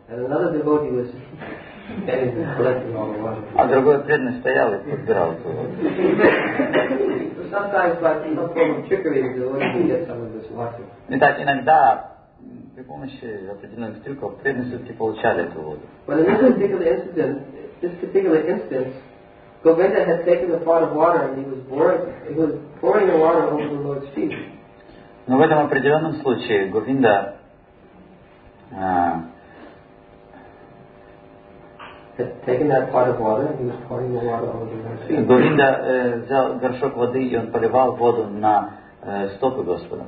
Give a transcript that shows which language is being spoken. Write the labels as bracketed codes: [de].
[ru] А другой преданный стоял и подбирал эту воду. Итак, иногда при помощи определенных трюков преданные все-таки получали эту воду. [en] Govinda had taken a pot of water and he was pouring the water over the Lord's feet. [ru] Но в этом определенном случае Говинда [en] had taken that pot of water and he was pouring the water over the Lord's feet. [ru] Govinda взял горшок воды и он поливал воду на стопы Господа.